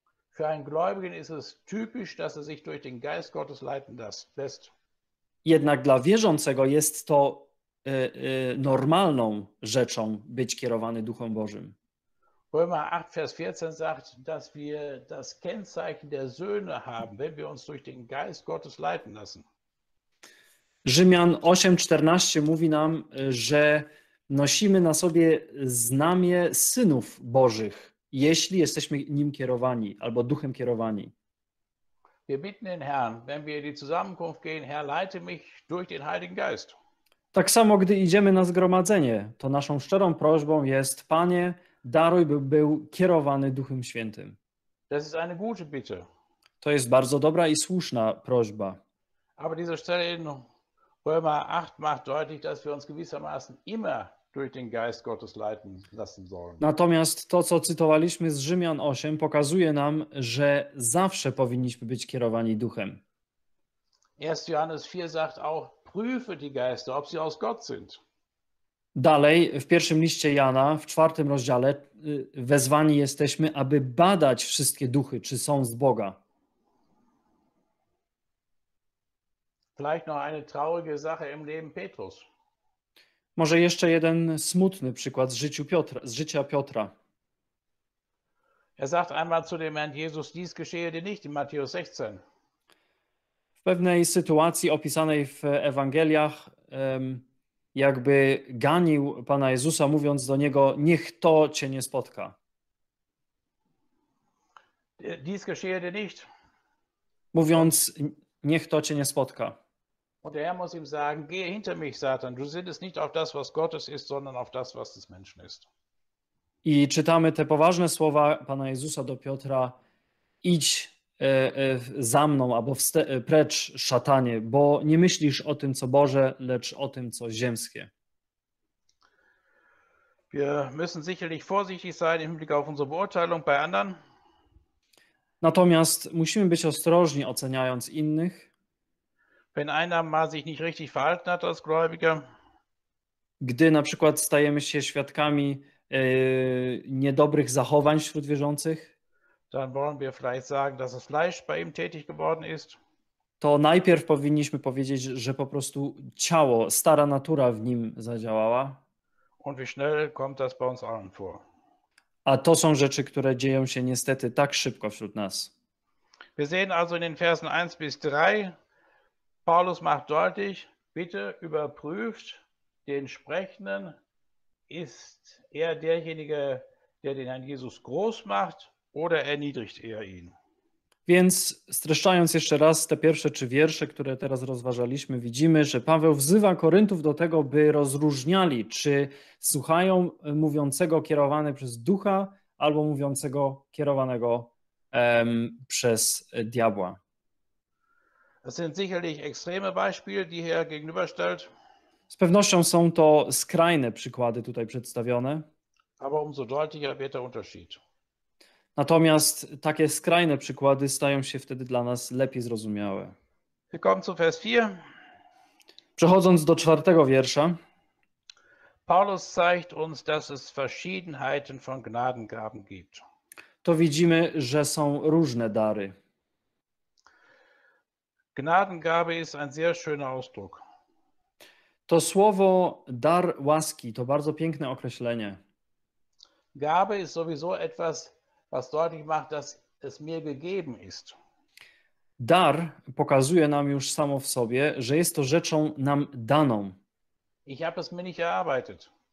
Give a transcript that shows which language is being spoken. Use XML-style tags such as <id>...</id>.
<de>Für einen Gläubigen ist es typisch, dass er sich durch den Geist Gottes leiten lässt.</de> <pl>Jednak dla wierzącego jest to normalną rzeczą być kierowany Duchem Bożym.</pl> <de>Römer 8, Vers 14 sagt, dass wir das Kennzeichen der Söhne haben, wenn wir uns durch den Geist Gottes leiten lassen.</de> <pl>Rzymian 8:14 mówi nam, że nosimy na sobie znamie synów Bożych, jeśli jesteśmy nim kierowani albo duchem kierowani.</pl> <de>Wir bitten den Herrn, wenn wir in die Zusammenkunft gehen, Herr, leite mich durch den Heiligen Geist.</de> <pl>Tak samo, gdy idziemy na zgromadzenie, to naszą szczerą prośbą jest, Panie, daruj, by był kierowany Duchem Świętym.</pl> <de>Das ist eine gute Bitte.</de> <pl>To jest bardzo dobra i słuszna prośba.</pl> <de>Aber diese Stelle in Römer 8 macht deutlich, dass wir uns gewissermaßen immer durch den Geist Gottes leiten lassen sollen.</de> <pl>Natomiast to, co cytowaliśmy z Rzymian 8, pokazuje nam, że zawsze powinniśmy być kierowani Duchem.</pl> <de>1. Johannes 4 sagt auch, prüfe die Geister, ob sie aus Gott sind.</de> <pl>Dalej, w pierwszym liście Jana, w 4 rozdziale, wezwani jesteśmy, aby badać wszystkie duchy, czy są z Boga.</pl> <de>Vielleicht noch eine traurige Sache im Leben Petrus.</de> <pl>Może jeszcze jeden smutny przykład z życia Piotra.</pl> <de>Er sagt einmal zu dem Herrn Jesus, dies geschehe dir nicht, in Matthäus 16.</de> <pl>W pewnej sytuacji opisanej w Ewangeliach, jakby ganił Pana Jezusa, mówiąc do Niego, niech to Cię nie spotka.</pl> <de>Dies geschehe dir nicht.</de> <pl>Mówiąc, niech to Cię nie spotka.</pl> <de>Und der Herr muss ihm sagen, gehe hinter mich, Satan, du sinnest nicht auf das, was Gottes ist, sondern auf das, was des Menschen ist.</de> <pl>I czytamy te poważne słowa Pana Jezusa do Piotra, idź za mną, albo precz, szatanie, bo nie myślisz o tym, co Boże, lecz o tym, co ziemskie.</pl> <de>Wir müssen sicherlich vorsichtig sein im Blick auf unsere Beurteilung bei anderen.</de> <pl>Natomiast musimy być ostrożni, oceniając innych.</pl> <de>Wenn einer mal sich nicht richtig verhalten hat als Gläubiger.</de> <pl>Gdy na przykład stajemy się świadkami niedobrych zachowań wśród wierzących,</pl> <de>dann wollen wir vielleicht sagen, dass das Fleisch bei ihm tätig geworden ist.</de> <pl>To najpierw powinniśmy powiedzieć, że po prostu ciało, stara natura w nim zadziałała.</pl> <de>Und wie schnell kommt das bei uns allen vor?</de> <pl>A to są rzeczy, które dzieją się niestety tak szybko wśród nas.</pl> <de>Wir sehen also in den Versen 1 bis 3, Paulus macht deutlich, bitte überprüft den Sprechenden, ist er derjenige, der den Herrn Jesus groß macht? Oder erniedrigt er ihn.</de> <pl>Więc streszczając jeszcze raz te pierwsze trzy wiersze, które teraz rozważaliśmy, widzimy, że Paweł wzywa Koryntów do tego, by rozróżniali, czy słuchają mówiącego kierowany przez ducha, albo mówiącego kierowanego przez diabła.</pl> <de>Das sind sicherlich extreme Beispiele, die hier gegenüberstellt.</de> <pl>Z pewnością są to skrajne przykłady tutaj przedstawione.</pl> <de>Aber umso deutlicher wird der Unterschied.</de> <pl>Natomiast takie skrajne przykłady stają się wtedy dla nas lepiej zrozumiałe.</pl> <de>Willkommen zu Vers 4.</de> <pl>Przechodząc do 4 wiersza.</pl> <de>Paulus zeigt uns, dass es Verschiedenheiten von Gnadengaben gibt.</de> <pl>To widzimy, że są różne dary.</pl> <de>Gnadengabe ist ein sehr schöner Ausdruck.</de> <pl>To słowo dar łaski to bardzo piękne określenie.</pl> <de>Gabe ist sowieso etwas, was deutlich macht, dass es mir gegeben ist.</de> <pl>Dar pokazuje nam już samo w sobie, że jest to rzeczą nam daną.</pl> <de>Ich habe es mir nicht erarbeitet.</de>